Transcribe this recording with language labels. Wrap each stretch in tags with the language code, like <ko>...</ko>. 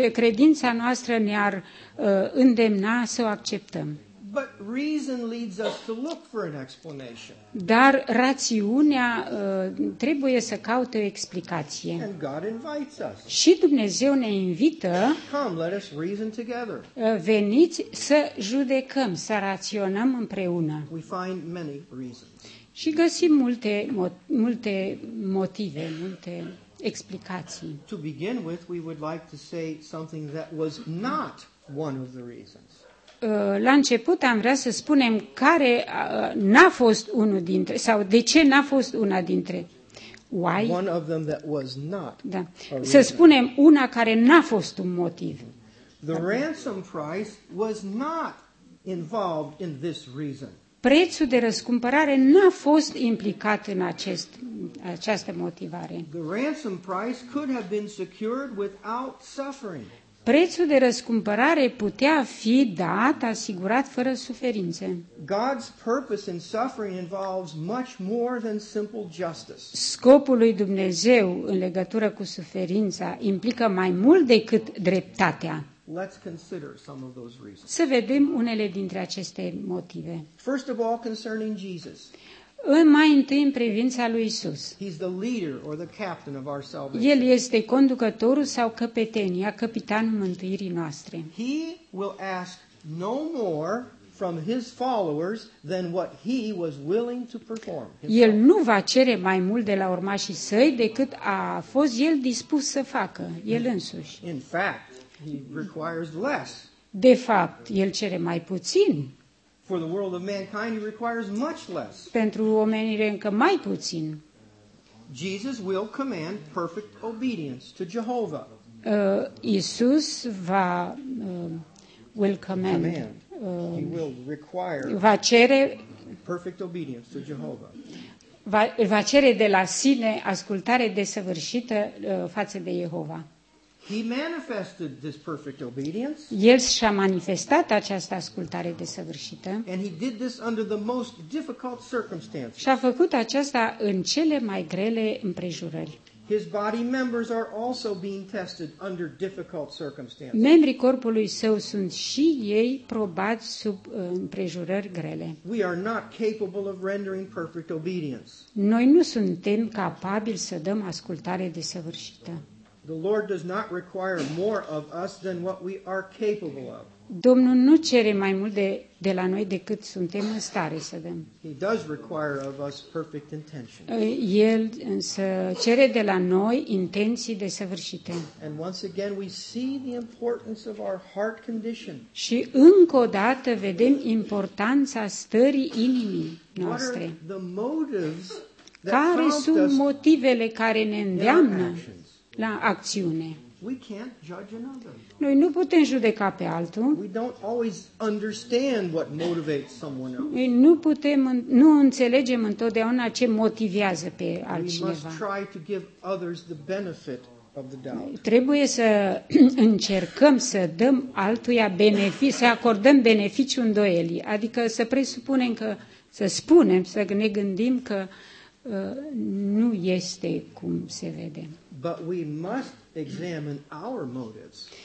<ro>credința noastră ne-ar îndemna să o acceptăm.</ro> <en>But reason leads us to look for an explanation.</en> <ro>Dar rațiunea trebuie să caute o explicație.</ro> <en>And God invites us.</en> <ro>Și Dumnezeu ne invită.</ro> <en>Come, let us reason together.</en> <ro>Veniți să judecăm, să raționăm împreună.</ro> <en>We find many reasons.</en> <ro>Și găsim multe motive, multe explicații.</ro> <en>To begin with, we would like to say something that was not one of the reasons.</en> <ro>La început am vrea să spunem care n-a fost unul dintre, sau de ce n-a fost una dintre.</ro> <en>Why? One of them that was not.</en> <ro>Da. Să spunem una care n-a fost un motiv.</ro> <en>The ransom price was not involved in this reason.</en> <ro>Prețul de răscumpărare n-a fost implicat în această motivare.</ro> <en>The ransom price could have been secured without suffering.</en> <ro>Prețul de răscumpărare putea fi dat, asigurat, fără suferințe.</ro> <en>God's purpose in suffering involves much more than simple justice.</en> <ro>Scopul lui Dumnezeu în legătură cu suferința implică mai mult decât dreptatea.</ro> <en>Let's consider some of those reasons.</en> <ro>Să vedem unele dintre aceste motive.</ro> <en>First of all, concerning Jesus.</en> <ro>Mai întâi în privința lui Isus.</ro> <en>He's the leader or the captain of our salvation.</en> <ro>El este conducătorul sau căpetenia, capitanul mântuirii noastre.</ro> <en>He will ask no more from his followers than what he was willing to perform.</en> <ro>El nu va cere mai mult de la urmașii săi decât a fost el dispus să facă, el însuși.</ro> <en>In fact, he requires less.</en> <ro>De fapt, el cere mai puțin.</ro> <en>For the world of mankind, he requires much less.</en> <ro>Pentru omenire încă mai puțin.</ro> <en>Jesus will command perfect obedience to Jehovah.</en> <ro>Iisus va</ro> <en>will command. He will require.</en> <ro>Va cere.</ro> <en>Perfect obedience to Jehovah.</en> <ro>Va cere de la sine ascultare desăvârșită față de Jehova.</ro> <en>He manifested this perfect obedience.</en> <ro>El și-a manifestat această ascultare desăvârșită.</ro> <en>And he did this under the most difficult circumstances.</en> <ro>Și-a făcut aceasta în cele mai grele împrejurări.</ro> <en>His body members are also being tested under difficult circumstances.</en> <ro>Membrii corpului său sunt și ei probați sub împrejurări grele.</ro> <en>We are not capable of rendering perfect obedience.</en> <ro>Noi nu suntem capabili să dăm ascultare desăvârșită.</ro> <en>The Lord does not require more of us than what we are capable of.</en> <ro>Domnul nu cere mai mult de la noi decât suntem în stare să dăm.</ro> <en>He does require of us perfect intentions.</en> <ro>El însă cere de la noi intenții desăvârșite.</ro> <en>And once again we see the importance of our heart condition.</en> <ro>Și încă o dată vedem importanța stării inimii noastre.</ro> <en>What are the motives that prompt us?</en> <ro>Care sunt motivele care ne îndeamnă la acțiune?</ro> <en>We can't judge another.</en> <ro>Noi nu putem judeca pe altul.</ro> <en>We don't always understand what motivates someone else.</en> <ro>Noi nu înțelegem întotdeauna ce motivează pe altcineva.</ro> <en>We must try to give others the benefit of the doubt.</en> <ro>Trebuie să încercăm să dăm altuia beneficiu, să acordăm beneficiu îndoielii, adică să presupunem că, să spunem, să ne gândim că nu este cum se vede.</ro> <en>But we must examine our motives.</en>